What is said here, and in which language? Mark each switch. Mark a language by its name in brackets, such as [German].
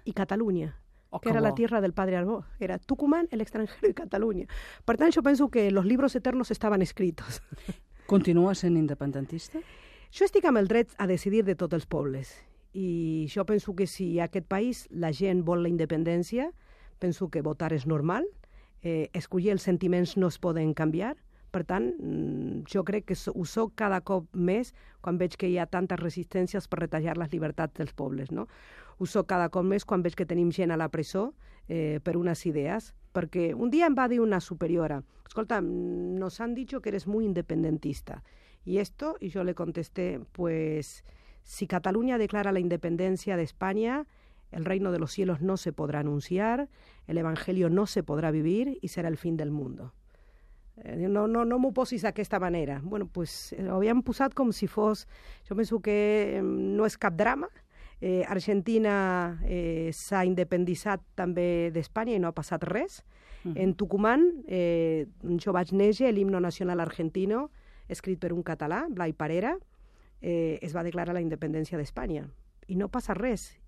[Spanish] i Catalunya, que era la tierra del padre Arbó. Era Tucumán, el extranjero i Catalunya. [Catalan] Per tant, jo penso que [Spanish] los libros eternos estaban escritos. [Catalan] Continua sent independentista? Jo estic amb el dret a decidir de tots els pobles. I jo penso que si a aquest país la gent vol la independència, penso que votar és normal, escollir els sentiments no es poden canviar, per tant, jo crec que ho soc cada cop més quan veig que hi ha tantes resistències per retallar les llibertats dels pobles, no? Ho soc cada cop més quan veig que tenim gent a la presó per unes idees, perquè un dia em va dir una superiora, escolta, [Spanish] nos han dicho que eres muy independentista, [Catalan] i jo [Spanish] le contesté, pues... Si Cataluña declara la independencia de España, el reino de los cielos no se podrá anunciar, el evangelio no se podrá vivir y será el fin del mundo. [Catalan] No m'ho posis d'aquesta manera. Bueno, pues ho havíem posat com si fos... Jo penso que no és cap drama. Argentina s'ha independitzat també d'Espanya i no ha passat res. En Tucumán, jo vaig néixer, l'himno nacional argentino, escrit per un català, Blai Parera, es va declarar la independència d'Espanya. I no passa res.